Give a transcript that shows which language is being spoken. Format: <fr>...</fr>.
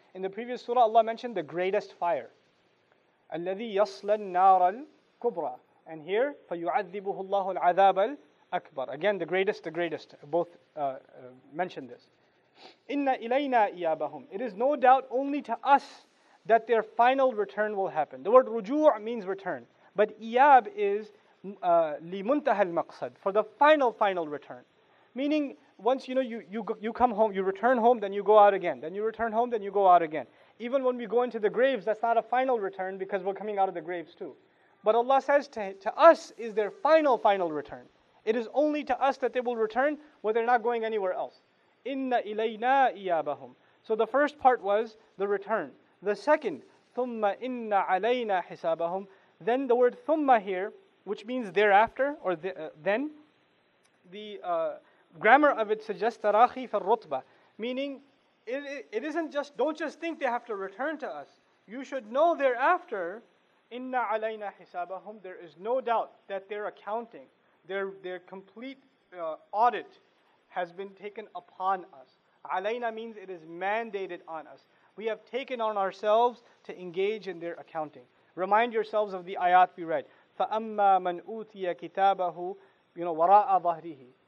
<en>In the previous surah, Allah mentioned the greatest fire.</en> <ar>الَّذِي يَصْلَى النَّارَ الْكُبْرَى.</ar> <en>And here,</en> <ar>فَيُعَذِّبُهُ اللَّهُ الْعَذَابَ الْأَكْبَرَ.</ar> <en>Again, the greatest. Both mentioned this.</en> <ar>إِنَّ إِلَيْنَا إِيَابَهُمْ.</ar> <en>It is no doubt only to us that their final return will happen. The word رُجُوع means return. But إِيَاب is</en> <ar>لِمُنْتَهَ الْمَقْصَدِ.</ar> <en>For the final return. Meaning, once you know you come home, you return home, then you go out again. Then you return home, then you go out again. Even when we go into the graves, that's not a final return because we're coming out of the graves too. But Allah says to us is their final return. It is only to us that they will return where they're not going anywhere else.</en> <ar>إِنَّ إِلَيْنَا إِيَابَهُمْ.</ar> <en>So the first part was the return. The second,</en> <ar>ثُمَّ إِنَّ عَلَيْنَا حِسَابَهُمْ.</ar> <en>Then the word ثُمَّ here, which means thereafter or then, the grammar of it suggests</en> <ar>تَرَاخِي فَالرُّطْبَ,</ar> <en>meaning it isn't just, don't just think they have to return to us. You should know thereafter,</en> <ar>إِنَّ عَلَيْنَا حِسَابَهُمْ,</ar> <en>there is no doubt that their accounting, their complete audit has been taken upon us. عَلَيْنَا means it is mandated on us. We have taken on ourselves to engage in their accounting. Remind yourselves of the ayat we read.</en> <ar>فَأَمَّا مَنْ أُوْتِيَ كِتَابَهُ,</ar> <en>you know,</en> <ar>وَرَاءَ ظَهْرِهِ.</ar>